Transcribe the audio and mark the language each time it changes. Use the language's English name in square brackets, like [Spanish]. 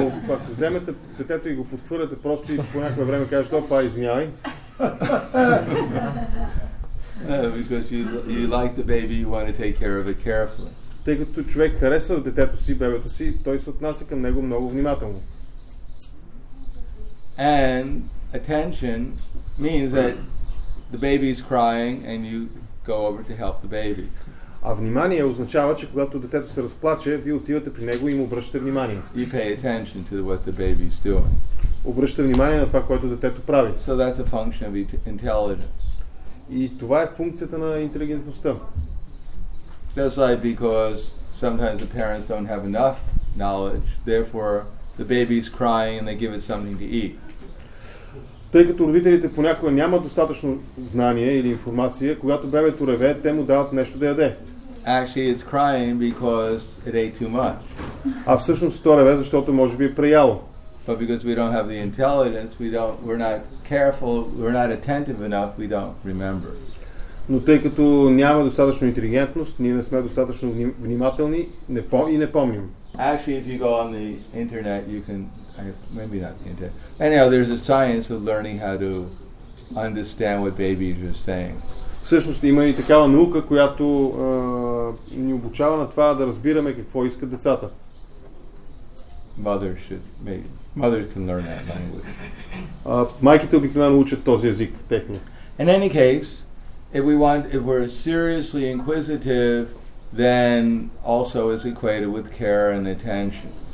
[Bulgarian] Ако вземете детето и го подхвърляте просто и по някое време кажете, опа, извинявай. [English] Because you like the baby, you want to take care of it carefully. [Bulgarian] Тъй като човек харесва детето си, бебето си, той се отнася към него много внимателно. [English] And attention means that the baby is crying and you go over to help the baby. [Bulgarian] А внимание означава, че когато детето се разплаче, вие отивате при него и му обръщате внимание. [English] You pay attention to what the baby is doing. [Bulgarian] Обръщате внимание на това, което детето прави. [English] So that's a function of intelligence. [Bulgarian] И това е функцията на интелигентността. [English] Just like because sometimes the parents don't have enough knowledge, therefore the baby is crying and they give it something to eat. [Bulgarian] Тъй като родителите понякога нямат достатъчно знание или информация, когато бебето реве, те му дават нещо да яде. [English] Actually it's crying because it ate too much. [Bulgarian] А всъщност то реве, защото може би е преяло. [English] But because we don't have the intelligence, we're not careful, we're not attentive enough, we don't remember. [Bulgarian] Но тъй като няма достатъчно интелигентност, ние не сме достатъчно внимателни и не помним. [English] Actually, if you go on the internet, you can, maybe not the internet. Anyhow, there's a science of learning how to understand what babies are saying. [Bulgarian] Всъщност има и такава наука, която ни обучава на това да разбираме какво искат децата. [English] Mothers can learn that language. [Bulgarian] Майките обикновено учат този език техни. [English] In any case, if we're seriously inquisitive, then also is equated with care and attention.